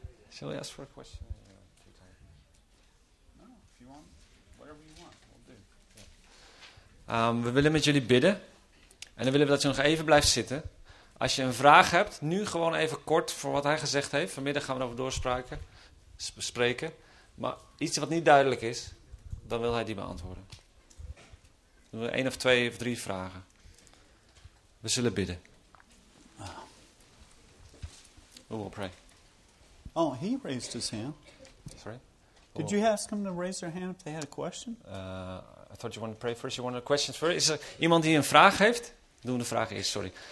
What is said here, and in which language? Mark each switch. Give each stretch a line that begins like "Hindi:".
English: Shall we ask for a question? No, if you want, whatever you want, we'll do. Yeah.
Dutch: We willen met jullie bidden. En dan willen we dat je nog even blijft zitten. Als je een vraag hebt, nu gewoon even kort voor wat hij gezegd heeft. Vanmiddag gaan we erover doorspraken. Spreken, maar iets wat niet duidelijk is, dan wil hij die beantwoorden. We hebben 1 of 2 of 3 vragen. We zullen bidden.
English: We will pray. Oh, he raised his hand. Sorry? Did you ask him to raise their hand if they had a question? I thought you wanted to pray first, you wanted a question first.
Dutch: Is er iemand die een vraag heeft? Doe de vraag eerst, sorry.